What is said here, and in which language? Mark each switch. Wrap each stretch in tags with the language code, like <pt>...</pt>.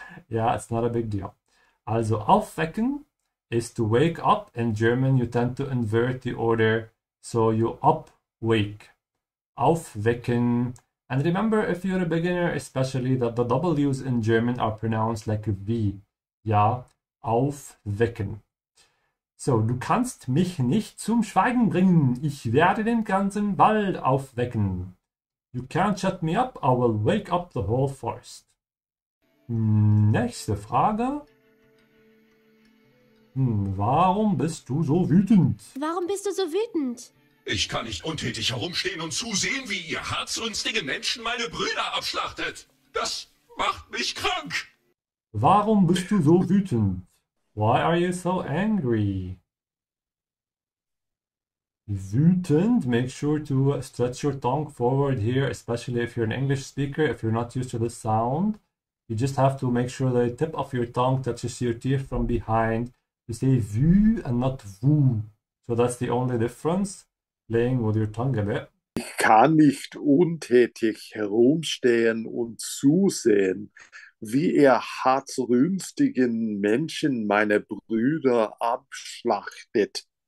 <en>Yeah, it's not a big deal. Also, aufwecken is to wake up. In German, you tend to invert the order, so you upwake. Aufwecken. And remember, if you're a beginner, especially, that the W's in German are pronounced like a V. Yeah. Aufwecken.</en> <de>So, du kannst mich nicht zum Schweigen bringen. Ich werde den ganzen Wald aufwecken.</de> <en>You can't shut me up. I will wake up the whole forest.</en> <de>Nächste Frage. Warum bist du so wütend? Warum bist du so wütend? Ich kann nicht untätig herumstehen und zusehen, wie ihr hartsrünstige Menschen meine Brüder abschlachtet. Das macht mich krank. Warum bist du so wütend?</de> <en>Why are you so angry? Wütend, make sure to stretch your tongue forward here, especially if you're an English speaker, if you're not used to this sound. You just have to make sure the tip of your tongue touches your teeth from behind. You say vu and not vu. So that's the only difference, playing with your tongue a bit.</en> <de>Ich kann nicht untätig herumstehen und zusehen, wie ihr hartrünstigen Menschen meine Brüder abschlachtet.</de>